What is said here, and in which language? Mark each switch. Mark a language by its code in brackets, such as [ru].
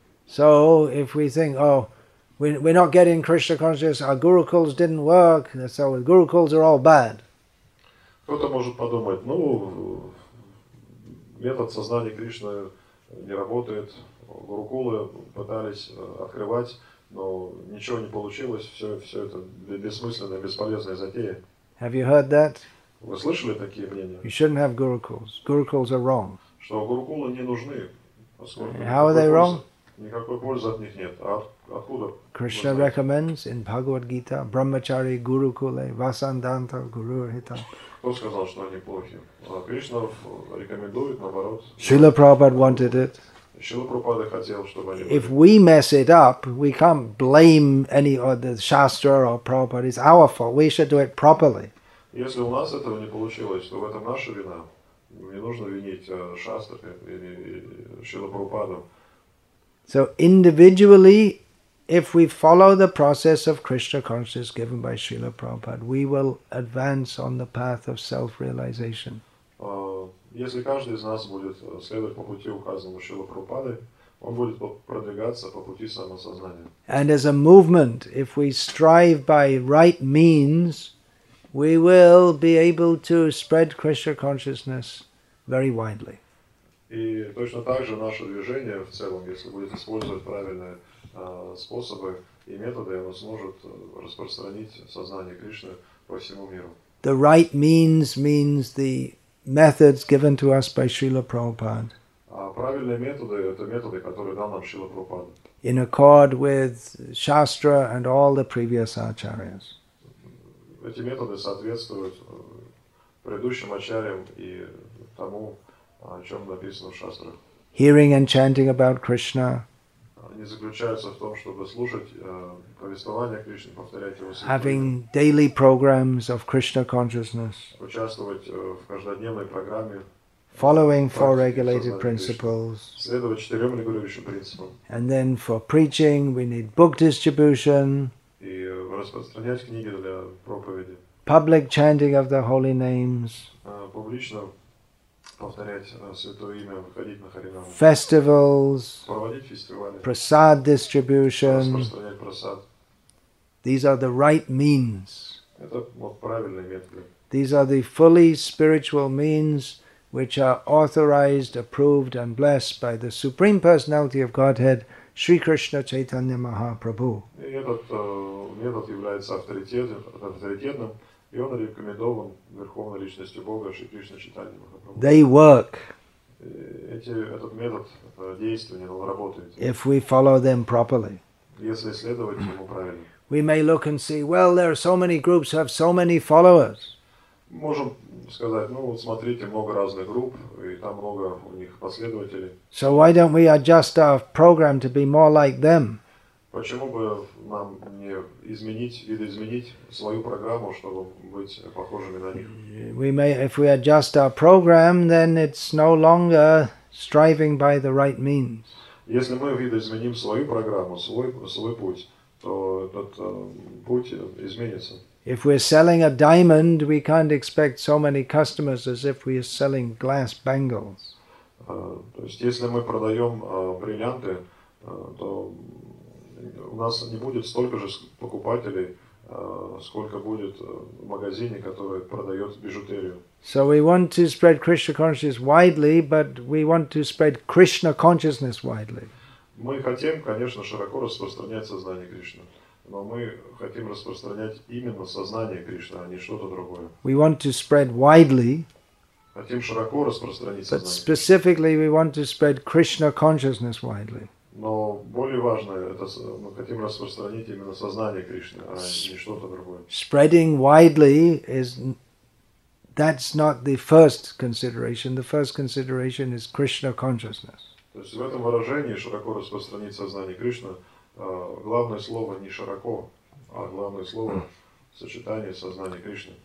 [en] So if we think, oh, we're not getting Krishna consciousness, our gurukuls didn't work, so gurukuls are all bad. [ru] Кто-то может подумать, ну, метод сознания Кришны не работает, гурукулы пытались открывать, но ничего не получилось, все это бессмысленная, бесполезная затея. [en] Have you heard that? [ru] Вы слышали такие мнения? [en] You shouldn't have gurukuls. Gurukuls are wrong. [ru] Что гурукулы не нужны, поскольку [en] how are they wrong? [ru] Никакой пользы от них нет. А откуда? [en] Krishna recommends in Bhagavad Gita, [sa] Brahmachari, Gurukule, Vasandanta, Guru Hita. [ru] Кто сказал, что они плохи? Кришна рекомендует, наоборот. [en] Srila Prabhupada wanted it. [ru] Srila Prabhupada хотел, чтобы они... [en] If we mess it up, we can't blame any of the Shastra or Prabhupada. It's our fault. We should do it properly. [ru] Если у нас этого не получилось, то в этом наша вина. Не нужно винить Шастры или Шрилу Прабхупаду. [en] So individually, if we follow the process of Krishna consciousness given by Srila Prabhupada, we will advance on the path of self-realization. [ru] Если каждый из нас будет следовать по пути, указанному Шрилой Прабхупадой, он будет продвигаться по пути самосознания. [en] And as a movement, if we strive by right means, we will be able to spread Krishna consciousness very widely. [ru] И точно так же наше движение в целом, если будет использовать правильные способы и методы, оно сможет распространить сознание Кришны по всему миру. [en] The right means the methods given to us by Srila Prabhupada. [ru] А правильные методы – это методы, которые дал нам Шрила Прабхупада. [en] In accord with Shastra and all the previous acharyas. [ru] Эти методы соответствуют предыдущим ачарьям и тому, о чем написано в шастрах. [en] Hearing and chanting about Krishna. [ru] Они заключаются в том, чтобы слушать повествование Кришны, повторять его святые. [en] Having daily programs of Krishna consciousness. [ru] Участвовать в каждодневной программе. [en] Following four regulated principles. [ru] Следовать четырем регулирующим принципам. [en] And then for preaching, we need book distribution. [ru] И распространять книги для проповеди. [en] Public chanting of the holy names. [ru] Публично повторять святое имя, выходить на харинам. [en] Festivals. [ru] Проводить фестивали. [en] Prasad distribution. [ru] Распространять просад. [en] These are the right means. [ru] Это вот правильные методы. [en] These are the fully spiritual means which are authorized, approved and blessed by the Supreme Personality of Godhead, Shri Krishna Chaitanya Mahaprabhu. [ru] И этот метод является авторитетным, и он рекомендован Верховной Личностью Бога, Шри Кришна Чайтанья Махапрабху. [en] They work. [ru] Этот метод действенен, он работает. [en] If we follow them properly. [ru] Если следовать ему правильно. [en] We may look and see, well, there are so many groups who have so many followers. [ru] Можем сказать, ну вот смотрите, много разных групп, и там много у них последователей. [en] So why don't we adjust our program to be more like them? [ru] Почему бы нам не изменить, видоизменить свою программу, чтобы быть похожими на них? [en] We may, if we adjust our program, then it's no longer striving by the right means. [ru] Если мы видоизменим свою программу, свой путь, то этот путь изменится. [en] If we're selling a diamond, we can't expect so many customers as if we are selling glass bangles. [ru] То есть, если мы продаем бриллианты, то у нас не будет столько же покупателей, сколько будет в магазине, который продает бижутерию. [en] So we want to spread Krishna consciousness widely, but we want to spread Krishna consciousness widely. [ru] Мы хотим, конечно, широко распространять сознание Кришны. Но мы хотим распространять именно сознание Кришны, а не что-то другое. [en] We want to spread widely. [ru] Хотим широко распространить сознание. [en] But specifically we want to spread Krishna consciousness widely. [ru] Но более важное, это мы хотим распространить именно сознание Кришны, а не что-то другое. [en] Spreading widely is, that's not the first consideration. The first consideration is Krishna consciousness. [ru] То есть в этом выражении широко распространить сознание Кришны, главное слово не широко, а главное слово сочетание сознания Кришны.